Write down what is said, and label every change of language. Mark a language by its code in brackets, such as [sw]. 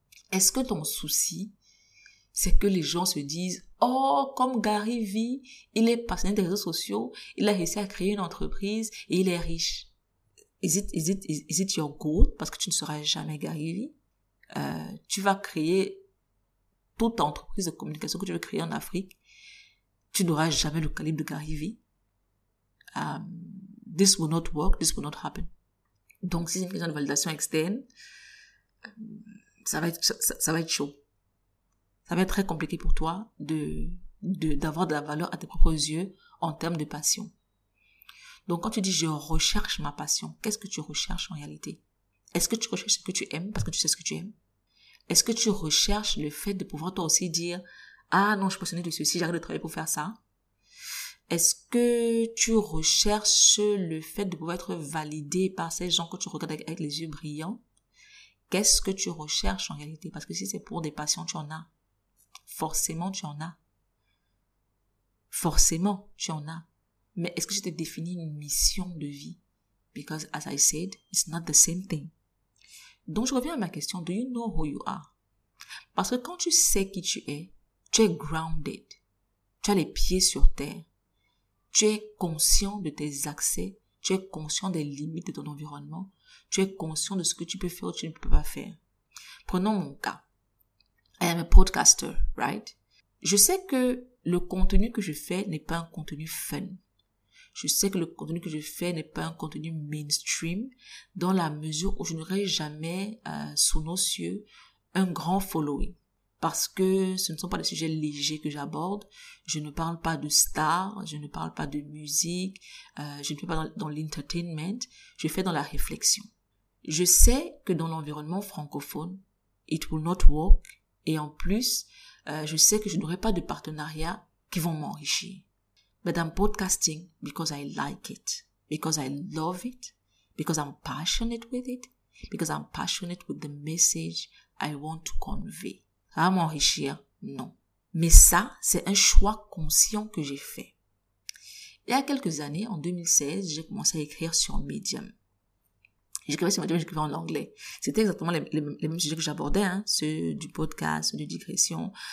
[fr] Est-ce que ton souci, c'est que les gens se disent, oh, comme Gary V, il est passionné des réseaux sociaux, il a réussi à créer une entreprise et il est riche. [en] Is it your goal? [fr] Parce que tu ne seras jamais Gary V. Tu vas créer toute entreprise de communication que tu veux créer en Afrique. Tu n'auras jamais le calibre de Gary V. [en] This will not work, this will not happen. [fr] Donc, si c'est une question de validation externe, ça va être chaud. Ça va être très compliqué pour toi d'avoir de la valeur à tes propres yeux en termes de passion. Donc, quand tu dis je recherche ma passion, qu'est-ce que tu recherches en réalité? Est-ce que tu recherches ce que tu aimes parce que tu sais ce que tu aimes? Est-ce que tu recherches le fait de pouvoir toi aussi dire, ah non, je suis passionné de ceci, j'arrête de travailler pour faire ça? Est-ce que tu recherches le fait de pouvoir être validé par ces gens que tu regardes avec les yeux brillants? Qu'est-ce que tu recherches en réalité? Parce que si c'est pour des passions, tu en as. Forcément, tu en as. Forcément, tu en as. Mais est-ce que je t'ai défini une mission de vie? [en] Because as I said, it's not the same thing. [fr] Donc, je reviens à ma question. [en] Do you know who you are? [fr] Parce que quand tu sais qui tu es, tu es grounded. Tu as les pieds sur terre. Tu es conscient de tes accès, tu es conscient des limites de ton environnement, tu es conscient de ce que tu peux faire ou que tu ne peux pas faire. Prenons mon cas. [en] I am a podcaster, right? [fr] Je sais que le contenu que je fais n'est pas un contenu fun. je sais que le contenu que je fais n'est pas un contenu mainstream, dans la mesure où je n'aurai jamais sous nos cieux un grand following. Parce que ce ne sont pas des sujets légers que j'aborde. Je ne parle pas de stars, je ne parle pas de musique, je ne fais pas dans l'entertainment, je fais dans la réflexion. Je sais que dans l'environnement francophone, [en] it will not work. [fr] Et en plus, je sais que je n'aurai pas de partenariats qui vont m'enrichir. [en] But I'm podcasting because I like it, because I love it, because I'm passionate with it, because I'm passionate with the message I want to convey. [fr] À m'enrichir, non. Mais ça, c'est un choix conscient que j'ai fait. Il y a quelques années, en 2016, j'ai commencé à écrire sur Medium. J'écrivais sur Medium, j'écrivais en anglais. C'était exactement les mêmes sujets que j'abordais, hein, ceux du podcast, ceux de digression.